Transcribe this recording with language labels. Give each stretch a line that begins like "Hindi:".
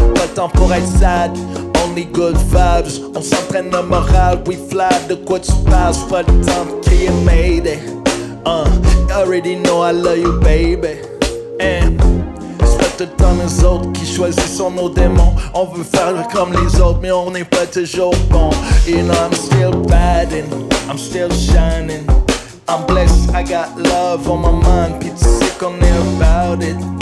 French: Pas le temps pour être sad,
English: only good vibes.
French: On s'entraîne le moral,
English: we fly.
French: De quoi tu parles, pas le temps de crier mayday.
English: You already know I love you baby.
French: C'est pas tout le temps les autres qui choisissent nos démons. On veut faire comme les autres, mais on n'est pas toujours bon.
English: You know I'm still batting, I'm still shining. I'm blessed, I got love on my mind. People sick on me about it.